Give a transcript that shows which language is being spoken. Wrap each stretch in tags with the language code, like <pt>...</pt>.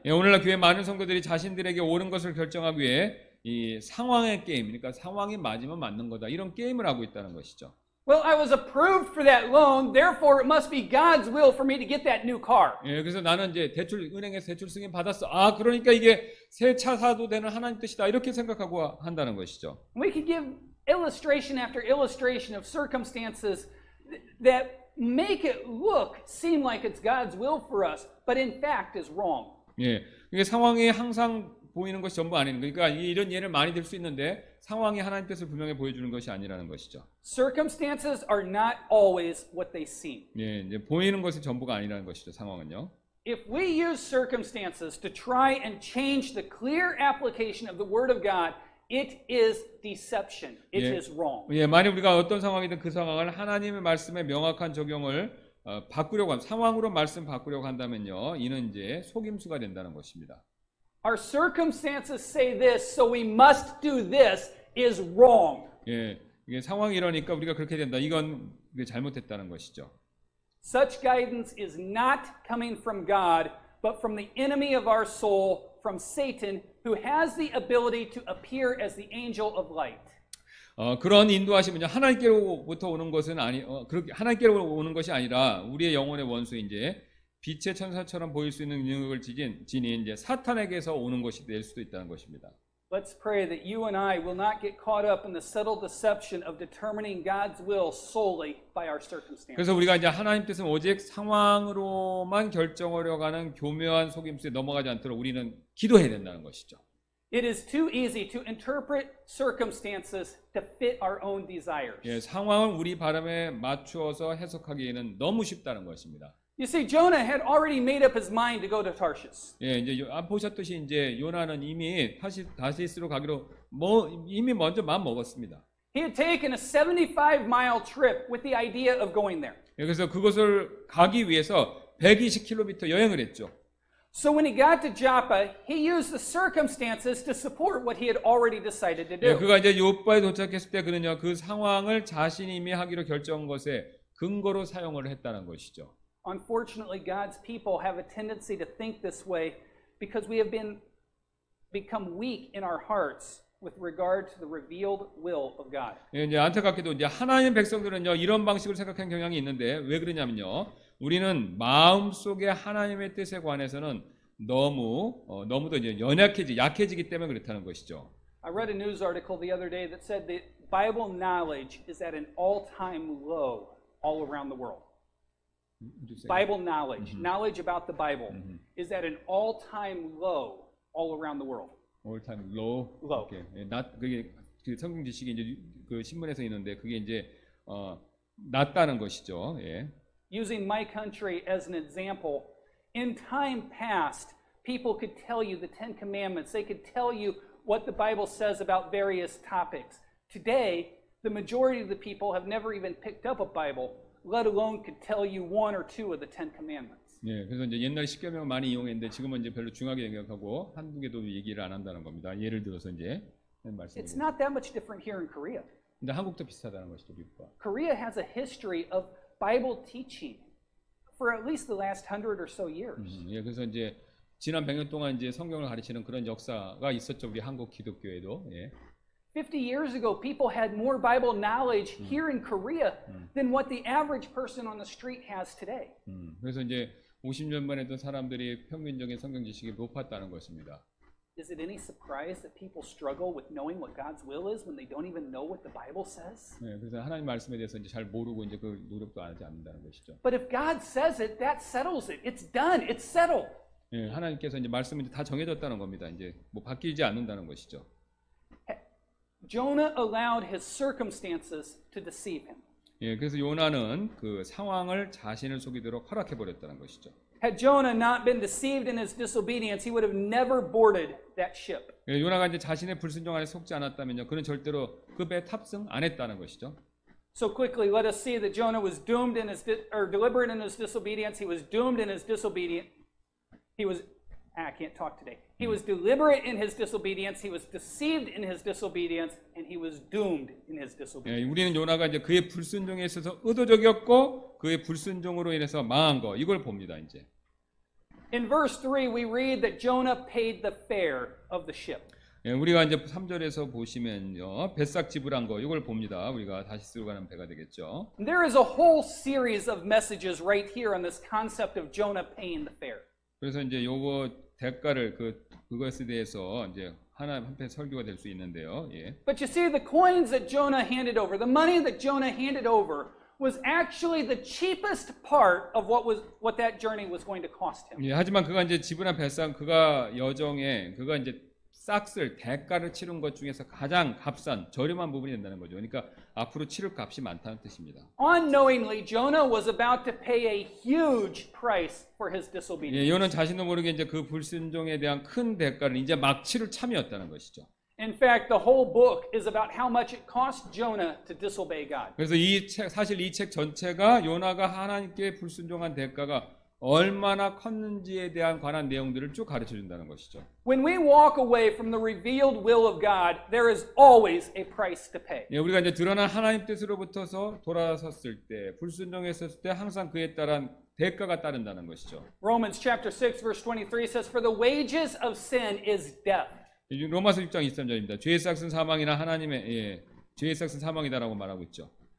<ko>예, 오늘날 교회 많은 성도들이 자신들에게 옳은 것을 결정하기 위해 이 상황의 게임, 그러니까 상황이 맞으면 맞는 거다 이런 게임을 하고 있다는 것이죠.</ko> <en>Well, I was approved for that loan, therefore it must be God's will for me to get that new car.</en> <ko>예, 그래서 나는 이제 대출 은행에서 대출 승인 받았어. 아, 그러니까 이게 새 차 사도 되는 하나님 뜻이다 이렇게 생각하고 한다는 것이죠.</ko> <en>We can give illustration after illustration of circumstances. That make it look seem like it's God's will for us, but in fact is wrong.</en> <ko>예, 이게 상황이 항상 보이는 것이 전부 아닌 거니까 이런 예를 많이 들 수 있는데 상황이 하나님 뜻을 분명히 보여주는 것이 아니라는 것이죠.</ko> <en>Circumstances are not always what they seem.</en> <ko>예, 이제 보이는 것이 전부가 아니라는 것이죠. 상황은요.</ko> <en>If we use circumstances to try and change the clear application of the Word of God. It is deception. It 예, is wrong.</en> <ko>예, 만약 우리가 어떤 상황이든 그 상황을 하나님의 말씀에 명확한 적용을 어, 바꾸려고 한 상황으로 말씀 바꾸려고 한다면요, 이는 이제 속임수가 된다는 것입니다.</ko> <en>Our circumstances say this, so we must do this is wrong.</en> <ko>예, 이게 상황이 이러니까 우리가 그렇게 된다. 이건 잘못됐다는 것이죠.</ko> <en>Such guidance is not coming from God, but from the enemy of our soul. From Satan, who has the ability to appear as the angel of light.</en> <ko>어 그런 인도하심은요 하나님께로부터 오는 것은 아니 어, 그렇게 하나님께로 오는 것이 아니라 우리의 영혼의 원수 이제 빛의 천사처럼 보일 수 있는 능력을 지닌 이제 사탄에게서 오는 것이 될 수도 있다는 것입니다.</ko> <en>Let's pray that you and I will not get caught up in the subtle deception of determining God's will solely by our circumstances.</en> <ko>그래서 우리가 이제 하나님 뜻은 오직 상황으로만 결정하려고 하는 교묘한 속임수에 넘어가지 않도록 우리는 기도해야 된다는 것이죠.</ko> <en>It is too easy to interpret circumstances to fit our own desires.</en> <ko>예, 상황을 우리 바람에 맞추어서 해석하기에는 너무 쉽다는 것입니다.</ko> <en>You see, Jonah had already made up his mind to go to Tarshish.</en> <ko>예, 이제 안 보셨듯이 이제 요나는 이미 다시스로 가기로 뭐 이미 먼저 마음 먹었습니다.</ko> <en>He had taken a 75-mile trip with the idea of going there.</en> <ko>예, 그래서 그곳을 가기 위해서 120km 여행을 했죠.</ko> <en>So when he got to Joppa, he used the circumstances to support what he had already decided to do.</en> <ko>예, 그가 이제 요파에 도착했을 때 그는요 그 상황을 자신이 이미 하기로 결정한 것에 근거로 사용을 했다는 것이죠.</ko> <en>Unfortunately, God's people have a tendency to think this way because we have been become weak in our hearts with regard to the revealed will of God.</en> <ko>예, 이제 안타깝게도 이제 하나님 백성들은요 이런 방식을 생각하는 경향이 있는데 왜 그러냐면요 우리는 마음 속에 하나님의 뜻에 관해서는 너무도 이제 약해지기 때문에 그렇다는 것이죠.</ko> <en>I read a news article the other day that said that Bible knowledge is at an all-time low all around the world. Bible knowledge, mm-hmm. knowledge about the Bible, mm-hmm. is at an all-time low all around the world. All-time low. Low. Okay.</en> <ko>Not 그게 그 성경 지식이 이제 그 신문에서 있는데 그게 이제 낮다는 것이죠. 예.</ko> <en>Using my country as an example, in time past, people could tell you the Ten Commandments. They could tell you what the Bible says about various topics. Today, the majority of the people have never even picked up a Bible, let alone could tell you one or two of the Ten Commandments.</en> <ko>예, 그래서 이제 옛날 십계명 많이 이용했는데 지금은 이제 별로 중하게 생각하고 한두 개도 얘기를 안 한다는 겁니다. 예를 들어서 이제 말씀.</ko> <en>It's not that much different here in Korea.</en> <ko>근데 한국도 비슷하다는 것이죠, 미국과.</ko> <en>Korea has a history of Bible teaching for at least the last 100 or so years.</en> <ko>예, 그래서 이제 지난 100년 동안 이제 성경을 가르치는 그런 역사가 있었죠 우리 한국 기독교에도. 예.</ko> <en>50 years ago, people had more Bible knowledge here in Korea than what the average person on the street has today.</en> <ko>그래서 이제 50년 만에도 사람들이 평균적인 성경 지식이 높았다는 것입니다.</ko> <en>Is it any surprise that people struggle with knowing what God's will is when they don't even know what the Bible says?</en> <ko>네, 그래서 하나님 말씀에 대해서 이제 잘 모르고 이제 그 노력도 안 하지 않는다는 것이죠.</ko> <en>But if God says it, that settles it. It's done. It's settled.</en> <ko>예, 하나님께서 이제 말씀이 다 정해졌다는 겁니다. 이제 뭐 바뀌지 않는다는 것이죠.</ko> <en>Jonah allowed his circumstances to deceive him.</en> <ko>예, 그래서 요나는 그 상황을 자신을 속이도록 허락해 버렸다는 것이죠.</ko> <en>Had Jonah not been deceived in his disobedience, he would have never boarded that ship.</en> <ko>예, 요나가 이제 자신의 불순종 안에 속지 않았다면요, 그는 절대로 그 배에 탑승 안 했다는 것이죠.</ko> <en>So quickly, let us see that Jonah was doomed in his deliberate in his disobedience. He was doomed in his disobedience. He was. I can't talk today. He was deliberate in his disobedience. He was deceived in his disobedience, and he was doomed in his disobedience.</en> <ko>예, 우리는 요나가 이제 그의 불순종에 있어서 의도적이었고 그의 불순종으로 인해서 망한 거 이걸 봅니다 이제.</ko> <en>In verse 3, we read that Jonah paid the fare of the ship.</en> <ko>예, 우리가 이제 3절에서 보시면요, 배싹 지불한 거 이걸 봅니다. 우리가 다시 쓰러 가는 배가 되겠죠.</ko> <en>There is a whole series of messages right here on this concept of Jonah paying the fare.</en> <ko>그래서 이제 요거 대가를 그것에 대해서 이제 하나 한편 설교가 될 수 있는데요. 예.</ko> <en>But you see the coins that Jonah handed over, the money that Jonah handed over was actually the cheapest part of what that journey was going to cost him.</en> <ko>예, 하지만 그가 이제 지불한 배상 그가 여정에 그가 이제 싹쓸 대가를 치른 것 중에서 가장 값싼 저렴한 부분이 된다는 거죠. 그러니까 앞으로 치를 값이 많다는 뜻입니다.</ko> <en>Unknowingly, Jonah was about to pay a huge price for his disobedience.</en> <ko>예, 요는 자신도 모르게 이제 그 불순종에 대한 큰 대가를 이제 막 치를 참이었다는 것이죠.</ko> <en>In fact, the whole book is about how much it cost Jonah to disobey God.</en> <ko>그래서 이 책 사실 이 책 전체가 요나가 하나님께 불순종한 대가가 얼마나 컸는지에 대한 관한 내용들을 쭉 가르쳐 준다는 것이죠.</ko> <en>When we walk away from the revealed will of God, there is always a price to pay.</en> <ko>예, 우리가 이제 드러난 하나님 뜻으로부터서 돌아섰을 때, 불순종했었을 때 항상 그에 따른 대가가 따른다는 것이죠.</ko> <en>Romans chapter 6 verse 23 says for the wages of sin is death.</en> <ko>로마서 6장 23절입니다. 죄의 삯은 사망이나 하나님의 예, 죄의 삯은 사망이다라고 말하고 있죠.</ko>